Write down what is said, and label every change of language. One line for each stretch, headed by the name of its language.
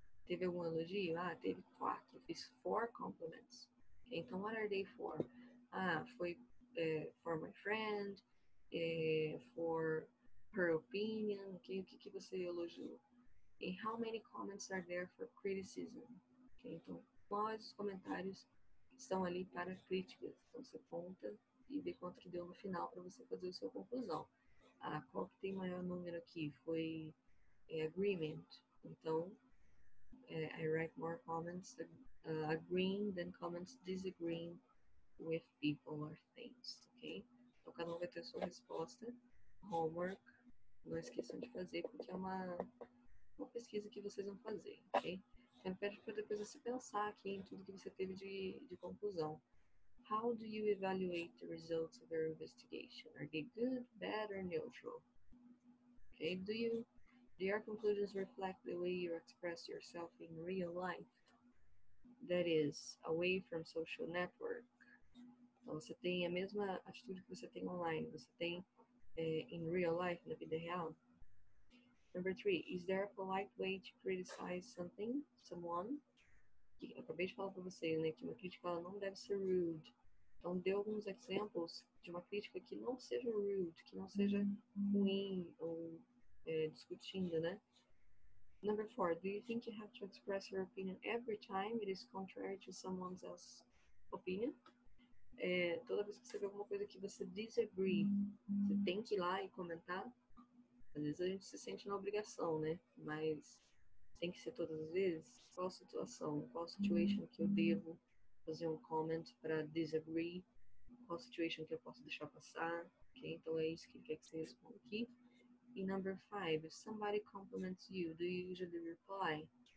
Portuguese: Teve algum elogio? Ah, teve quatro. Fiz
English: four compliments. Okay,
Portuguese: então,
English: what are they for?
Portuguese: Ah, foi
English: for my friend, for her opinion.
Portuguese: Okay, o que, que você elogiou?
English: And how many comments are there for criticism?
Portuguese: Okay, então, quais os comentários estão ali para críticas? Então, você conta e vê quanto deu no final para você fazer a sua conclusão. Ah, qual que tem maior número aqui? Foi agreement. Então,
English: I write more comments agreeing than comments disagreeing with people or things. Okay?
Portuguese: Então, cada um vai ter a sua resposta. Homework. Não esqueçam de fazer, porque é uma pesquisa que vocês vão fazer. Ok? Então, pede para depois você pensar aqui em tudo que você teve de conclusão.
English: How do you evaluate the results of your investigation? Are they good, bad, or neutral? Okay, do your conclusions reflect the way you express yourself in real life? That is, away from social network.
Portuguese: Então, você tem a mesma atitude que você tem online, você tem
English: in real life,
Portuguese: na vida real.
English: Number three, is there a polite way to criticize something, someone?
Portuguese: Eu acabei de falar para você, né, que uma crítica ela não deve ser rude. Então, dê alguns exemplos de uma crítica que não seja rude, que não seja ruim ou discutindo, né?
English: Number four, do you think you have to express your opinion every time it is contrary to someone else's opinion?
Portuguese: Toda vez que você vê alguma coisa que você disagree, você tem que ir lá e comentar. Às vezes a gente se sente na obrigação, né? Mas tem que ser todas as vezes. Qual situação, qual situation que eu devo fazer um comment para disagree? Qual situation que eu posso deixar passar? Okay? Então é isso que ele quer que você responda aqui. E
English: number five, if somebody compliments you, do you usually reply?